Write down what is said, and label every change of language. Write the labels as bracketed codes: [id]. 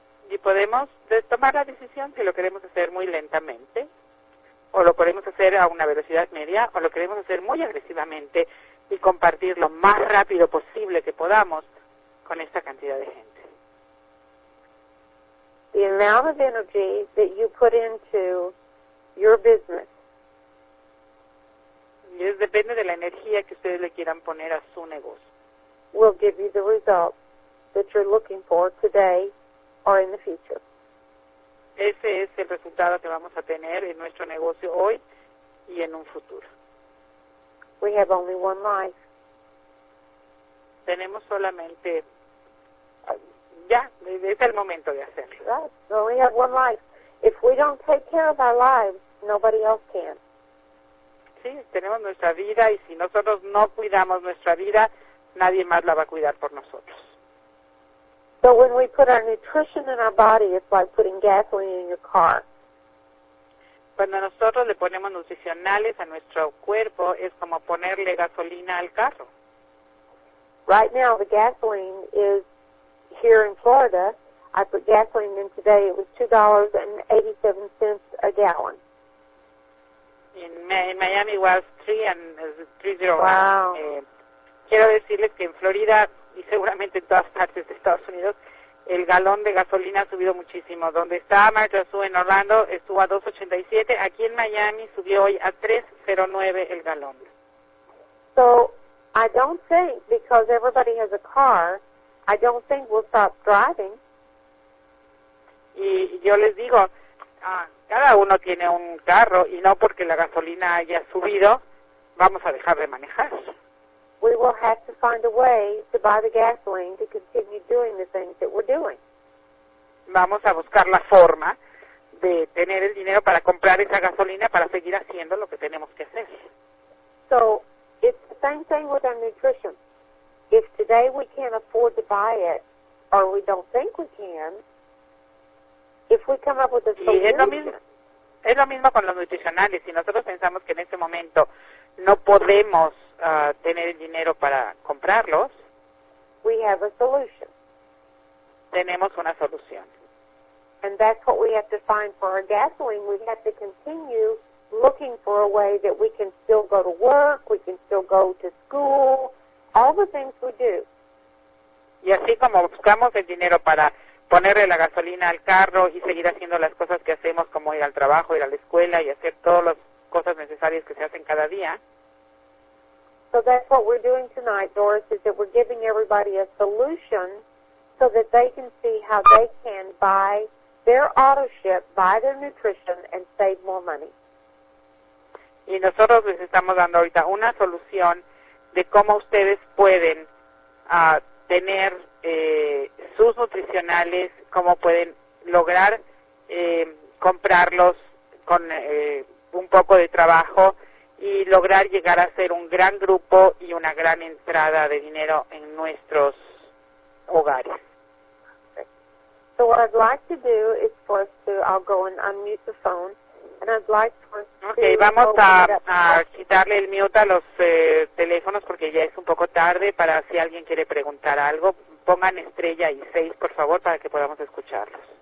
[es] Y podemos tomar la decisión si lo queremos hacer muy lentamente, o lo queremos hacer a una velocidad media, o lo queremos hacer muy agresivamente y compartir lo más rápido posible que podamos con esta cantidad de gente. [en] The amount of energy that you put into your business. [es] Yes, depende de la energía que ustedes le quieran poner a su negocio. [en] Will give you the result that you're looking for today or in the future. [es] Ese es el resultado que vamos a tener en nuestro negocio hoy y en un futuro. [en] We have only one life. [es] Tenemos solamente... Ya, es el momento de hacerlo. [en] Right. We only have one life. If we don't take care of our lives, nobody else can. [es] Sí, tenemos nuestra vida y si nosotros no cuidamos nuestra vida, nadie más la va a cuidar por nosotros. [en] So when we put our nutrition in our body, it's like putting gasoline in your car. [es] Cuando nosotros le ponemos nutricionales a nuestro cuerpo, es como ponerle gasolina al carro. [en] Right now, the gasoline is here in Florida, I put gasoline in today, it was $2.87 a gallon. In Miami was $3.01. Wow. [es] Quiero decirles que en Florida, y seguramente en todas partes de Estados Unidos, el galón de gasolina ha subido muchísimo. Donde está Marta Sue en Orlando, estuvo a $2.87. Aquí en Miami subió hoy a $3.09 el galón. [en] So, I don't think, because everybody has a car, I don't think we'll stop driving. [es] Y yo les digo, cada uno tiene un carro y no porque la gasolina haya subido, vamos a dejar de manejar. [en] We will have to find a way to buy the gasoline to continue doing the things that we're doing. [es] Vamos a buscar la forma de tener el dinero para comprar esa gasolina para seguir haciendo lo que tenemos que hacer. [en] So, it's the same thing with our nutrition. If today we can't afford to buy it, or we don't think we can, if we come up with a solution... [es] Y es lo mismo con los nutricionales. Si nosotros pensamos que en este momento no podemos tener el dinero para comprarlos... [en] We have a solution. [es] Tenemos una solución. [en] And that's what we have to find for our gasoline. We have to continue looking for a way that we can still go to work, we can still go to school... All the things we do. [es] Y así como buscamos el dinero para ponerle la gasolina al carro y seguir haciendo las cosas que hacemos, como ir al trabajo, ir a la escuela y hacer todas las cosas necesarias que se hacen cada día. [en] So that's what we're doing tonight, Doris, is that we're giving everybody a solution so that they can see how they can buy their auto ship, buy their nutrition, and save more money. [es] Y nosotros les estamos dando ahorita una solución de cómo ustedes pueden tener sus nutricionales, cómo pueden lograr comprarlos con un poco de trabajo y lograr llegar a ser un gran grupo y una gran entrada de dinero en nuestros hogares. [en] So what I'd like to do is for us to, I'll go and unmute the phone, and I'd like for us to... [es] Okay, vamos a quitarle el mute a los teléfonos porque ya es un poco tarde para si alguien quiere preguntar algo. Pongan estrella y 6, por favor, para que podamos escucharlos.